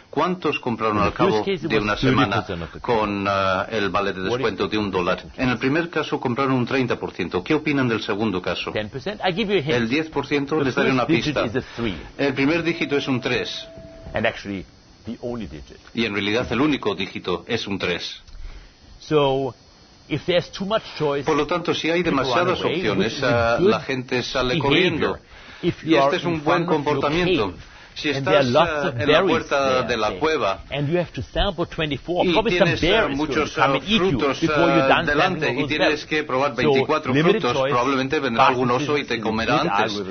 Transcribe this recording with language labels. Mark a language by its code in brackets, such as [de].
[es] ¿Cuántos compraron al cabo de una semana con el vale de descuento de un dólar? En el primer caso compraron un 30%. ¿Qué opinan del segundo caso? El 10%, les daré una pista. El primer dígito es un 3. [en] The only digit. [es] Y en realidad el único dígito es un 3. [en] So, if there's too much choice, [es] por lo tanto, si hay demasiadas opciones, la gente sale corriendo. Y este es un buen comportamiento. Si estás en la puerta de la cueva y tienes muchos frutos delante y tienes que probar 24 frutos, probablemente vendrá algún oso y te comerá antes.